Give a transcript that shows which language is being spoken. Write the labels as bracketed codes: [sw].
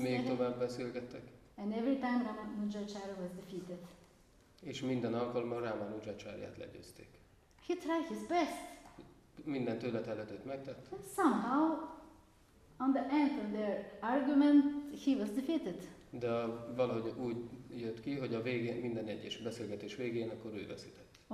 [hu] Még tovább beszélgettek. [en] And every time Ramanujacharya was defeated. [hu] És minden alkalommal Ramanujacharyát legyőzték. [en] He tried his best. [hu] Minden tőle telhetőt megtett. [en] And somehow, on the end of their argument, he was defeated. [hu] De valahogy úgy jött ki, hogy a végén, minden egyes beszélgetés végén, akkor ő veszített.